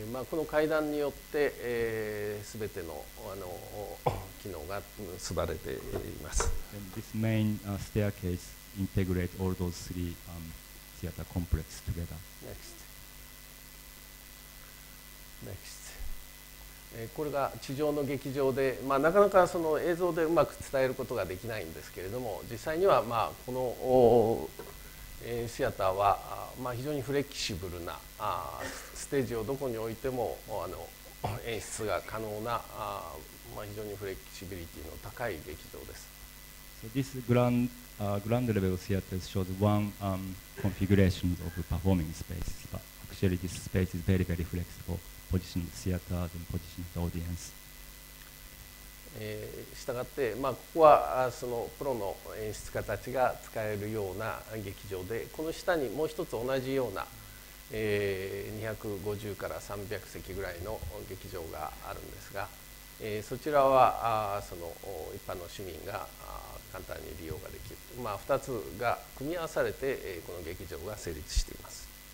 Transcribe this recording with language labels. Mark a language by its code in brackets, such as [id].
[ja] この階段によって、全ての、機能が結ばれています。 [en] And this main staircase integrate all those three theater complex together. Next. Next. [ja] これが地上の劇場で、なかなかその映像でうまく伝えることができないんですけれども、実際には、このシアターは非常にフレキシブルなステージをどこに置いても演出が可能な非常にフレキシビリティの高い劇場です。 [en] So、this ground level theater shows one configuration of performing space, but actually this space is very, very flexible, positioned theater and positioned audience. [ja] したがって、ここはそのプロの演出家たちが使えるような劇場で、この下にもう一つ同じような、250から300席ぐらいの劇場があるんですが、そちらはその一般の市民が簡単に利用ができる、2つが組み合わされて、この劇場が成立しています。